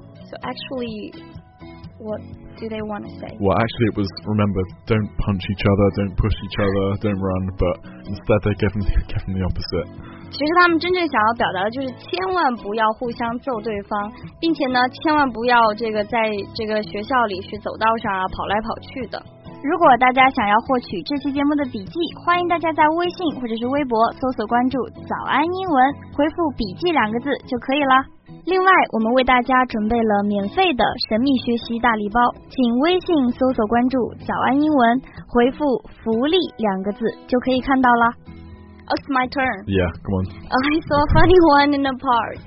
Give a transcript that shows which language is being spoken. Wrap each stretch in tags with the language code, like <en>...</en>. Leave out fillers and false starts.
<en>So actually, what do they want to say? Well, actually it was, remember, don't punch each other, don't push each other, don't run, but instead they gave them the opposite.</en> <zh>其实他们真正想要表达的就是千万不要互相揍对方，并且呢，千万不要这个在这个学校里是走道上啊跑来跑去的。如果大家想要获取这期节目的笔记，欢迎大家在微信或者是微博搜索关注“早安英文”，回复“笔记”两个字就可以了。另外，我们为大家准备了免费的神秘学习大礼包，请微信搜索关注“早安英文”，回复“福利”两个字就可以看到了。</zh> <en>It's my turn. Yeah, come on. I saw a funny one in the park.</en>